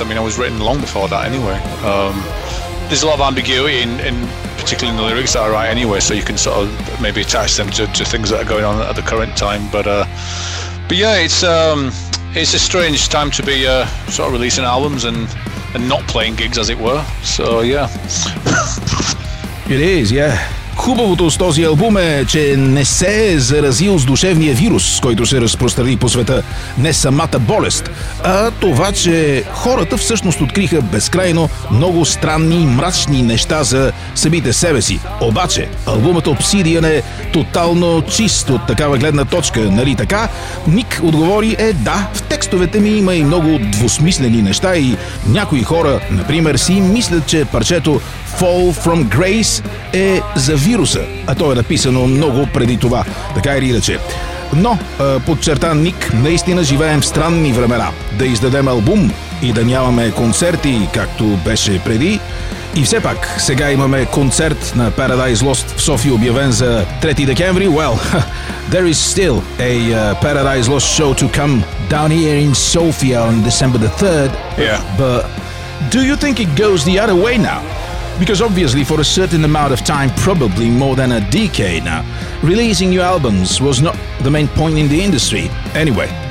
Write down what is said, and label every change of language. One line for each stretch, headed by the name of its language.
English: I mean, I was written long before that anyway. There's a lot of ambiguity in particularly in the lyrics that I write anyway, so you can sort of maybe attach them to things that are going on at the current time. But yeah, it's a strange time to be sort of releasing albums and not playing gigs, as it were. So, yeah. It is, yeah.
Bulgarian: Хубавото с този албум е, че не се е заразил с душевния вирус, който се разпространи по света, не самата болест, а това, че хората всъщност откриха безкрайно много странни и мрачни неща за самите себе си. Обаче, албумът Obsidian е тотално чист от такава гледна точка, нали така? Ник отговори е да, в текстовете ми има и много двусмислени неща и някои хора, например, си мислят, че парчето Fall From Grace е за вируса, а то е написано много преди това, така или иначе. Но, подчерта Ник, наистина живеем в странни времена. Да издадем албум и да нямаме концерти, както беше преди. И все пак, сега имаме концерт на Paradise Lost в София, обявен за 3 декември.
English: Well, there is still a Paradise Lost show to come down here in Sofia on December the 3rd. Yeah. But do you think it goes the other way now? Because obviously for a certain amount of time, probably more than a decade now, releasing new albums was not the main point in the industry anyway.